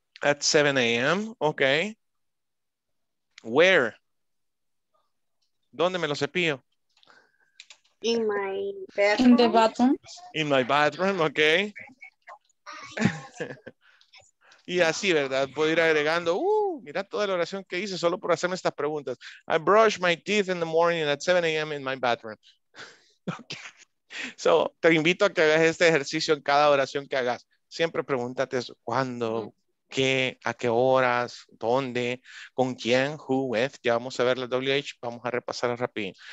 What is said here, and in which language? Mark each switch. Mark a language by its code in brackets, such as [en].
[en] At 7 a.m., okay. Where? [es] ¿Dónde me lo cepillo? [en] In my bathroom. In the bathroom. In my bathroom, okay. [es] Y así, ¿verdad? Puedo ir agregando, mira toda la oración que hice solo por hacerme estas preguntas. [en] I brush my teeth in the morning at 7 a.m. in my bathroom. Okay. [es] So, te invito a que hagas este ejercicio en cada oración que hagas. Siempre pregúntate eso, ¿cuándo? ¿Qué? ¿A qué horas? ¿Dónde? ¿Con quién? [en] ¿Who? ¿With? [es] Ya vamos a ver la WH, vamos a repasar rápido.